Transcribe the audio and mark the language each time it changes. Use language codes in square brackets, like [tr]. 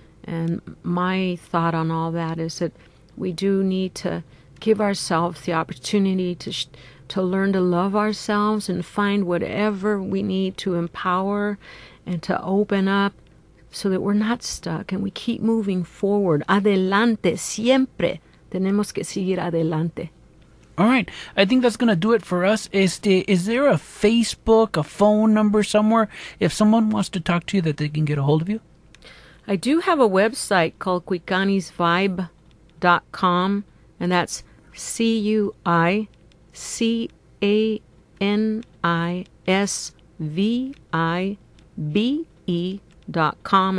[en] And my thought on all that is that we do need to give ourselves the opportunity to learn to love ourselves and find whatever we need to empower and to open up so that we're not stuck and we keep moving forward. [es] Adelante, siempre. Tenemos que seguir adelante. [en] All right. I think that's going to do it for us. Is there a Facebook, a phone number somewhere, if someone wants to talk to you, that they can get a hold of you? I do have a website called cuicanisvibe.com, and that's cuicanisvibe.com.